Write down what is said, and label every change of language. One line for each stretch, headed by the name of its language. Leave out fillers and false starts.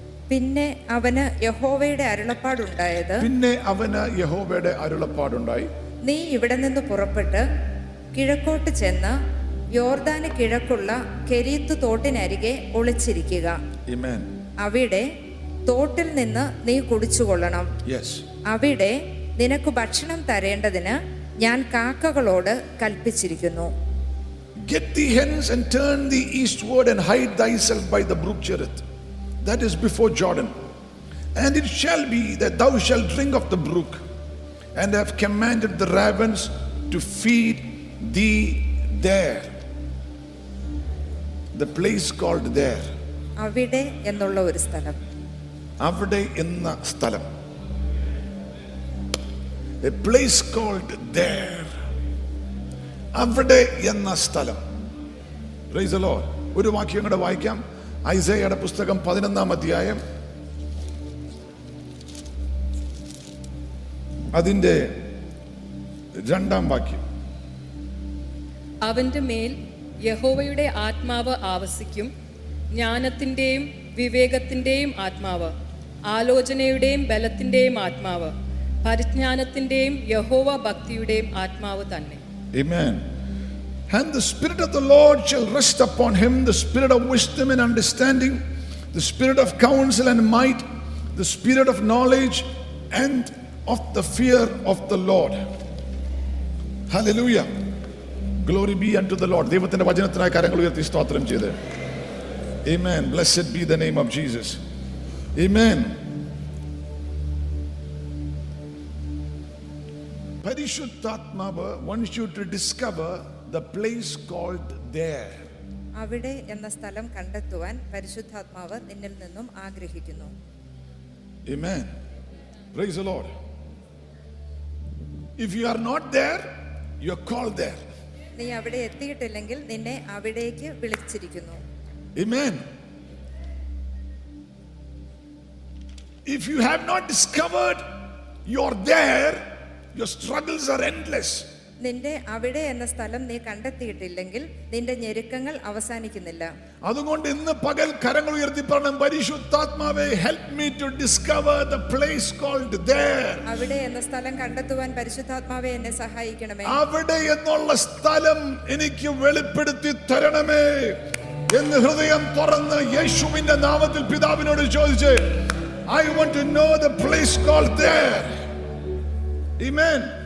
Malayalam: പിന്നെ അവന് യഹോവയുടെ അരുളപ്പാടുണ്ടായത് നീ ഇവിടെ നിന്ന് പുറപ്പെട്ട് കിഴക്കോട്ട് ചെന്ന് യോർദാന് കിഴക്കുള്ള കെരീത്ത് തോട്ടിനരികെ ഒളിച്ചിരിക്കുക. അവിടെ തോട്ടിൽ നിന്ന് നീ കുടിച്ചുകൊള്ളണം. അവിടെ നിനക്ക് ഭക്ഷണം തരേണ്ടതിന് ഞാൻ കാക്കകളോട് കൽപ്പിച്ചിരിക്കുന്നു.
English: Get thee hence and turn thee eastward and hide thyself by the brook Cherith, that is before Jordan. And it shall be that thou shalt drink of the brook, and have commanded the ravens to feed thee there. The place called there.
Malayalam: അവിടെ എന്നുള്ള ഒരു സ്ഥലം. അവിടെ എന്ന സ്ഥലം.
English: A place called there.
Malayalam: അവിടെ എന്ന സ്ഥലം.
English: Praise the Lord.
Malayalam: ഒരു വാക്യം കൂടെ വായിക്കാം. ഐസയുടെ പുസ്തകം 11 അധ്യായം അതിന്റെ രണ്ടാം വാക്യം. അവന്റെ മേൽ യഹോവയുടെ ആത്മാവ് ആവസിക്കും, ജ്ഞാനത്തിന്റെയും വിവേകത്തിന്റെയും ആത്മാവ്, ആലോചനയുടെയും ബലത്തിന്റെയും ആത്മാവ്, പരിജ്ഞാനത്തിന്റെയും യഹോവ ഭക്തിയുടെയും ആത്മാവ് തന്നെ. ആമേൻ.
English: And the spirit of the Lord shall rest upon him, the spirit of wisdom and understanding, the spirit of counsel and might, the spirit of knowledge and of the fear of the Lord. Hallelujah. Glory be unto the Lord.
Malayalam: ദൈവത്തിന്റെ വചനത്തിനായി കരങ്ങൾ ഉയർത്തി സ്തോത്രം ചെയ്തു.
English: ആമേൻ. Blessed be the name of Jesus. ആമേൻ. പരിശുദ്ധാത്മാവ് wants you to discover the place called there.
Malayalam: അവിടെ എന്ന സ്ഥലം കണ്ടെത്തുവാൻ പരിശുദ്ധാത്മാവ് നിന്നിൽ നിന്നും ആഗ്രഹിക്കുന്നു.
English: ആമേൻ. Praise the Lord. If you are not there, you are called there.
Malayalam: നീ അവിടെ എത്തിയിട്ടില്ലെങ്കിൽ നിന്നെ അവിടേക്ക് വിളിച്ചിരിക്കുന്നു.
English: Amen. If you have not discovered you are there, your struggles are endless.
Malayalam: നിന്റെ അവിടെ എന്ന സ്ഥലം നീ കണ്ടെത്തിയിട്ടില്ലെങ്കിൽ നിന്റെ ഞെരുക്കങ്ങൾ അവസാനിക്കുന്നില്ല. അതുകൊണ്ട് ഇന്ന് പകൽ കരങ്ങൾ ഉയർത്തി പറയണം, പരിശുദ്ധാത്മാവേ,
English: help me to discover the place called there.
Malayalam: അവിടെ എന്ന സ്ഥലം കണ്ടെത്തുവാൻ പരിശുദ്ധാത്മാവേ എന്നെ സഹായിക്കണമേ. അവിടെ എന്നുള്ള സ്ഥലം എനിക്ക് വെളിപ്പെടുത്തി തരണമേ എന്ന് ഹൃദയം തുറന്ന് യേശുവിന്റെ നാമത്തിൽ പിതാവിനോട് ചോദിച്ച്,
English: I want to know the place called there. Amen.